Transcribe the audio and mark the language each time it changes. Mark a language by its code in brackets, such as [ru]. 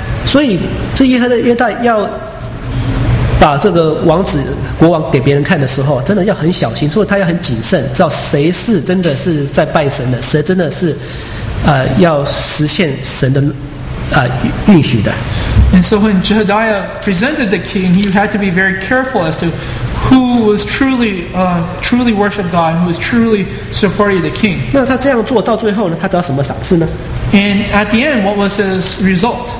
[zh] 所以这耶和耶大要把这个王子国王给别人看的时候，真的要很小心，所以他要很谨慎，知道谁是真的是在拜神的，谁真的是要实现神的应许的。 [en] And so when Jehadiah presented the king, he had to be very careful as to who was truly, truly worshiped God, and who was truly supporting the king. [zh] 那他这样做到最后呢，他得到什么赏赐呢？ [en] And at the end, what was his result?